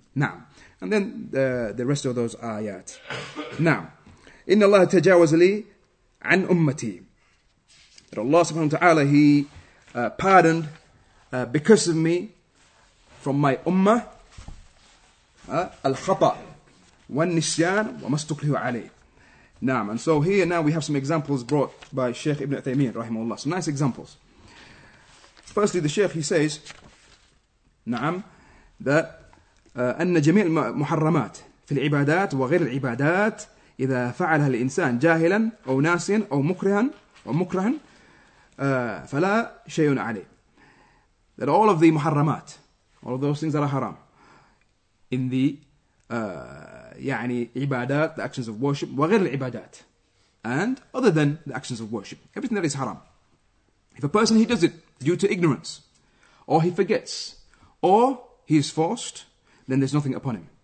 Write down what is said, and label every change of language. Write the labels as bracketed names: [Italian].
[English] Now, and then the rest of those ayat. Now, [Arabic] إِنَّ اللَّهَ تَجَاوَزَ لِي عَنْ أُمَّتِي, [English] that Allah subhanahu wa ta'ala, he pardoned because of me from my ummah, al-khata wa nisyan wa mastuklihu alayh. Naam, and so here now we have some examples brought by Shaykh Ibn Uthaymeen, rahimahullah. Some nice examples. Firstly, the Shaykh, he says, [Arabic] naam, that أَنَّ جَمِيعَ الْمُحَرَّمَاتِ فِي الْعِبَادَاتِ وَغِيْرِ الْعِبَادَاتِ إِذَا فَعَلَهَا الْإِنسَانِ جَاهِلًا أَوْ نَاسٍ أَوْ مُكْرِهًا وَمُكْرَهًا فَلَا شَيْءٌ عَلَيْهِ. [English] That all of the muharramat, all of those things that are haram, in the يعني عبادات, the actions of worship, [Arabic] وغير العبادات, [English] and other than the actions of worship, everything that is haram. If a person, he does it due to ignorance, or he forgets, or he is forced, then there's nothing upon him.